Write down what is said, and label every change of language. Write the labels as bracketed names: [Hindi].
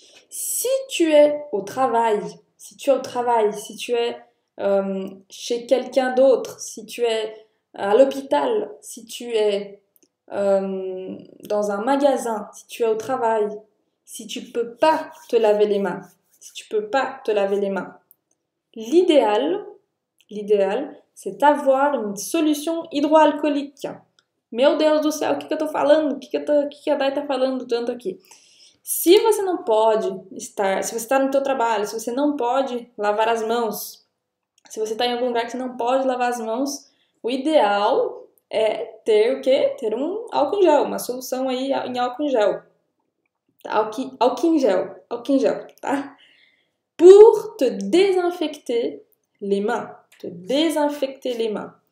[French] Si tu es au travail, si tu es chez quelqu'un d'autre, si tu es à l'hôpital, si tu es dans un magasin, si tu es au travail, si tu ne peux pas te laver les mains, si tu ne peux pas te laver les mains, l'idéal, c'est avoir une solution hydroalcoolique. [Portuguese] Meu Deus do céu, o que que eu tô falando? O que que a Dai tá falando tanto aqui? Se você está no teu trabalho, se você não pode lavar as mãos, se você está em algum lugar que você não pode lavar as mãos, o ideal é ter o quê? Ter um álcool em gel, uma solução aí em álcool em gel. Álcool em gel, tá? [French] Pour te désinfecter les mains. Te désinfecter les mains.